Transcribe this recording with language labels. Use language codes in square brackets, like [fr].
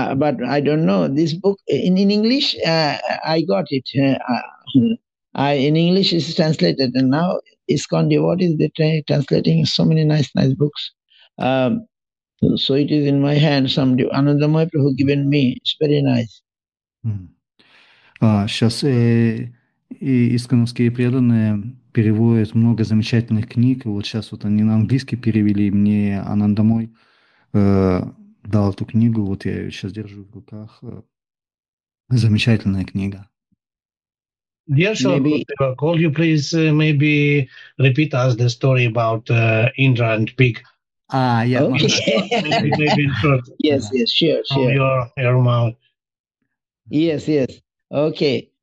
[en] but I don't know this book in English. I got it. In English it's translated, and now ISKCON devotees they're translating so many nice books. So it is in my hand. Some Anandamayi Prabhu given me. It's very nice. [ru] Сейчас и искановские преданные переводят много замечательных книг. И вот сейчас вот они на английский перевели, и мне Анандамой дал эту книгу. Вот я ее сейчас держу в руках. Замечательная книга. [en] Dear Maybe. Shilaputteva, could you please maybe repeat us the story about Indra and pig? Yeah, Okay. Maharaj. Maybe in short, yes, From sure. your mouth. Yes. Okay.